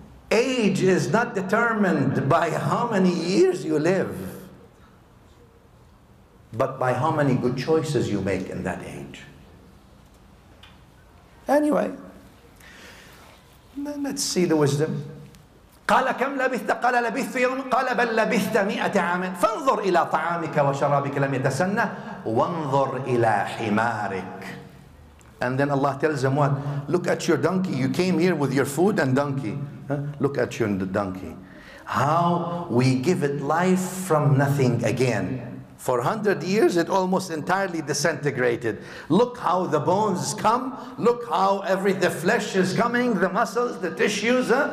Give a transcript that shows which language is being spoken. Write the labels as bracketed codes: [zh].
[en] Age is not determined by how many years you live. But by how many good choices you make in that age. Anyway, let's see the wisdom. [ar] قال كم لبثت قال لبثت يوم قال بل لبثت مئة عام فانظر إلى طعامك وشرابك لم يتسنى وانظر إلى حمارك [en] And then Allah tells him what? Look at your donkey. You came here with your food and donkey. Look at your donkey. How we give it life from nothing again. For 100 years, it almost entirely disintegrated. Look how the bones come. Look how the flesh is coming, the muscles, the tissues.